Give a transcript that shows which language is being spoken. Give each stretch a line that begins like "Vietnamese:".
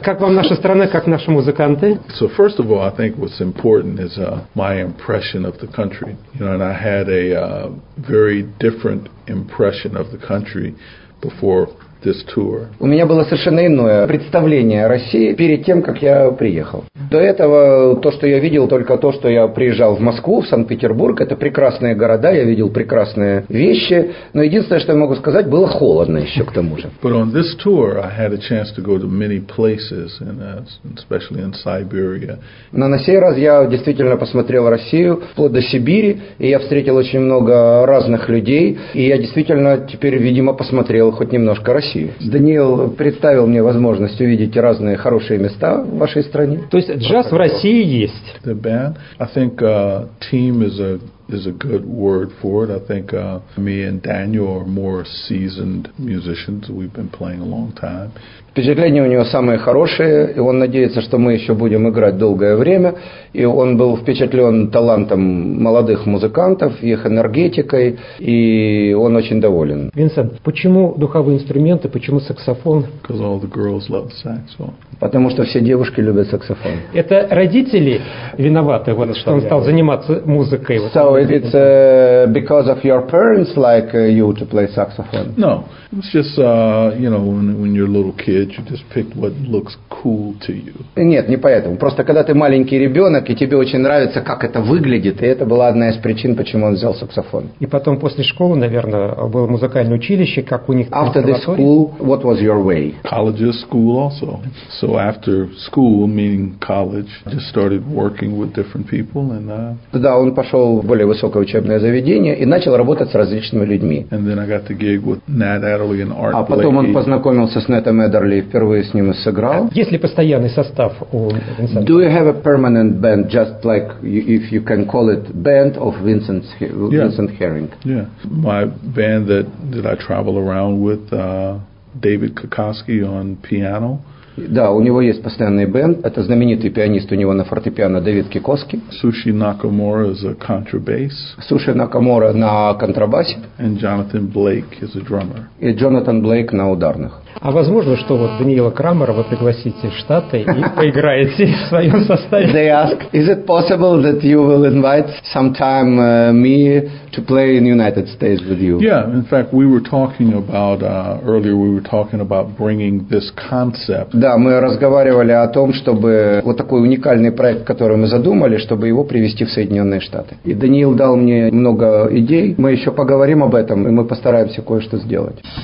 Russian: Как вам наша страна, как наши музыканты?
English: So first of all, I think what's important is my impression of the country. You know, and I had a very different impression of the country before.
Russian: У меня было совершенно иное представление о России перед тем, как я приехал. До этого то, что я видел, только то, что я приезжал в Москву, в Санкт-Петербург. Это прекрасные города, я видел прекрасные вещи. Но единственное, что я могу сказать, было холодно еще к тому же.
English: But on this tour I had a chance to go to many places, especially in Siberia.
Russian: Но на сей раз я действительно посмотрел Россию вплоть до Сибири, и я встретил очень много разных людей, и я действительно теперь, видимо, посмотрел хоть немножко России. Даниил представил мне возможность увидеть разные хорошие места в вашей стране. То есть джаз в России есть.
English: The band, I think team is a good word for it. I think me and Daniel are more seasoned musicians. We've been playing a long time.
Russian: Впечатления у него самые хорошие, и он надеется, что мы еще будем играть долгое время. И он был впечатлен талантом молодых музыкантов, их энергетикой, и он очень доволен. Винсент, почему духовые инструменты, почему саксофон?
English: Because all the girls love saxophone.
Russian: Потому что все девушки любят саксофон. Это родители виноваты, вот, что он стал заниматься музыкой?
English: So, is it because of your parents like you to play saxophone? No, it's just, you know, when you're a little kid. You just pick what looks cool to you.
Russian: Нет, не поэтому. Просто когда ты маленький ребенок, и тебе очень нравится, как это выглядит, и это была одна из причин, почему он взял саксофон. И потом после школы, наверное, было музыкальное училище, как у них.
English: After the school, what was your way? College school also. So after school, meaning college, just started working with different people and.
Russian: Да, он пошел в более высокое учебное заведение и начал работать с различными людьми.
English: And then I got the gig with Nat Adderley and Art.
Russian: А потом он познакомился с Натом Эдерли, впервые с ним сыграл. Есть ли постоянный состав у Винсента?
English: Do you have a permanent band, just like you, if you can call it band of Vincent's, yeah. Vincent Herring? Yeah, my band that I travel around with, David Kokoski on piano.
Russian: Да, у него есть постоянный бенд. Это знаменитый пианист у него на фортепиано Давид Кикоски.
English: Суши Накамура is a contrabass.
Russian: Суши Накамура на контрабасе.
English: And Jonathan Blake is a drummer.
Russian: И Джонатан Блейк на ударных. А возможно, что вот Даниила Крамера вы пригласите в Штаты и поиграете в своем составе?
English: They ask, is it possible that you will invite sometime me to play in United States with you? Yeah, in fact, we were talking about earlier. We were talking about bringing this concept.
Russian: Да, мы разговаривали о том, чтобы вот такой уникальный проект, который мы задумали, чтобы его привести в Соединенные Штаты. И Даниил дал мне много идей. Мы еще поговорим об этом, и мы постараемся кое-что сделать.